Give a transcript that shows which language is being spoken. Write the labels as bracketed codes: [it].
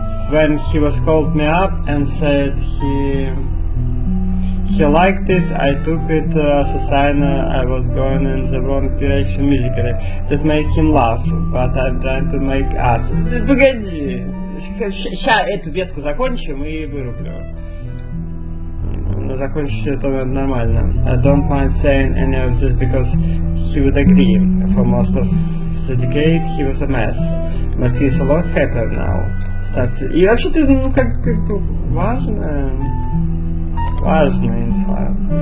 [en] When he was called me up and said he liked it, I took it as a sign I was going in the wrong direction musically. That made him laugh, but I'm trying to make art. [ru] Погоди! Сейчас эту ветку закончим и вырублю. Закончить это нормально. [en] I don't mind saying any of this because he would agree. For most of the decade he was a mess. But he's a lot happier now. [ru] Кстати, и вообще-то, ну, как бы важная инфа.